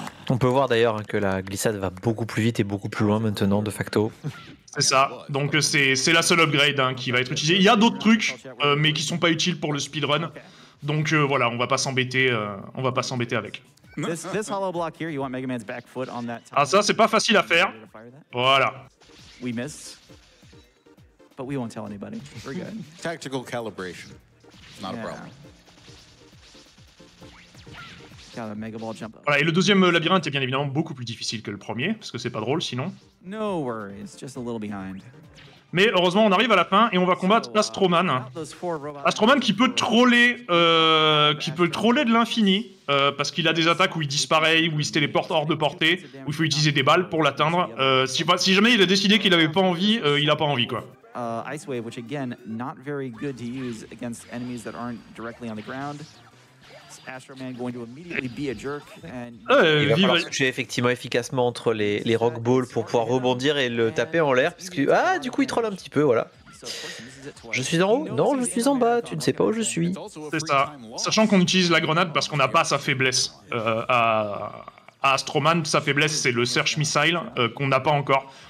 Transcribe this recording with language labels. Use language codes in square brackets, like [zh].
[fr] On peut voir d'ailleurs que la glissade va beaucoup plus vite et beaucoup plus loin maintenant, de facto. C'est ça, donc c'est la seule upgrade hein, qui va être utilisée. Il y a d'autres trucs, mais qui sont pas utiles pour le speedrun, donc voilà, on va pas s'embêter avec. [en] This hollow block here, you want Mega Man's back foot on that. [fr] Ah, ça c'est pas facile à faire. Voilà. [en] We missed. But we won't tell anybody. We're good. Tactical calibration. Not a problem. Got a Mega Ball jump. [fr] Voilà, et le deuxième labyrinthe est bien évidemment beaucoup plus difficile que le premier parce que c'est pas drôle sinon. [en] No worries, just a little behind. [fr] Mais heureusement, on arrive à la fin et on va combattre Astroman. Astroman qui peut troller de l'infini, parce qu'il a des attaques où il disparaît, où il se téléporte hors de portée, où il faut utiliser des balles pour l'atteindre. Si jamais il a décidé qu'il n'avait pas envie, il n'a pas envie, quoi. [en] Ice Wave, which again, not very good to use against enemies that aren't directly on the ground. [fr] Il va falloir switcher effectivement efficacement entre les rock balls pour pouvoir rebondir et le taper en l'air parce que du coup il troll un petit peu, voilà. Je suis en haut ? Non, je suis en bas, tu ne sais pas où je suis. C'est ça. Sachant qu'on utilise la grenade parce qu'on n'a pas sa faiblesse à Astroman, sa faiblesse c'est le search missile qu'on n'a pas encore.